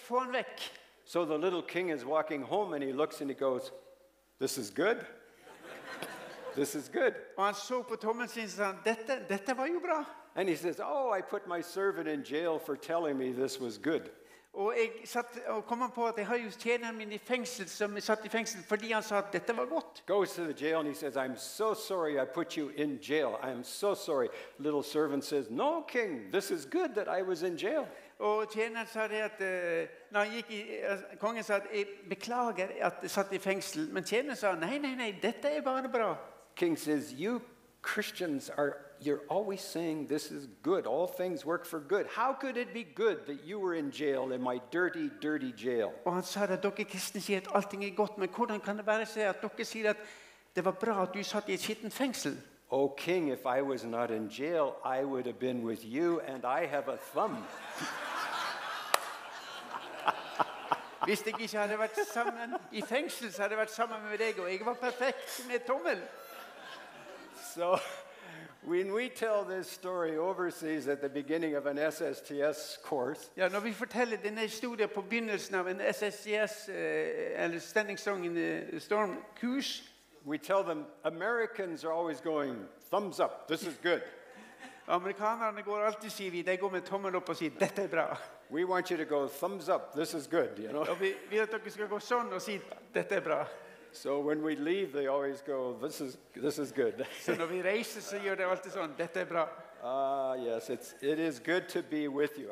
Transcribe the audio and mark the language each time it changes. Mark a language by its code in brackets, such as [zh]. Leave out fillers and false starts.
[sv] Få han väck. [en] So the little king is walking home and he looks and he goes, "This is good. This is good." [sv] Och han såg på tummen sin och sa, detta var ju bra. [en] And he says, "Oh, I put my servant in jail for telling me this was good." [sv] Och jag satt och kom på att jag har just tjänaren min i fängsel som satt i fängsel för att han sa att detta var gott. [en] Goes to the jail and he says, "I'm so sorry I put you in jail. I am so sorry." Little servant says, "No king, this is good that I was in jail." [sv] Och tjänaren sa det att när han gick i, kungen sa att jag beklagar att jag satt i fängsel, men tjänaren sa, nej, detta är bara bra. [en] King says, "You Christians are, you're always saying this is good. All things work for good. How could it be good that you were in jail in my dirty, dirty jail?" [sv] Och han sa att de kristna säger att allting är gott, men hur kan det vara så att de säger att det var bra att du satt i ett skitten fängsel? [en] "Oh king, if I was not in jail, I would have been with you and I have a thumb." [no] Hvis jeg ikke hadde vært sammen i fengsel, så hadde jeg vært sammen med deg, og jeg var perfekt med tommel. [en] So When we tell this story overseas at the beginning of an SSTS course, [no] ja, når vi forteller denne historien på begynnelsen av en SSTS eller Standing Strong in the Storm kurs, [en] we tell them Americans are always going thumbs up. This is good. [no] Amerikanerne går alltid sier vi, de går med tommel opp og sier dette bra. [en] We want you to go thumbs up. This is good. You know. [no] Vi vil at dere skal gå sånn og si dette bra. [en] So when we leave, they always go, this is good. [no] Så når vi reiser, så gjør de alltid sånn, dette bra. [en] Yes, it is good to be with you.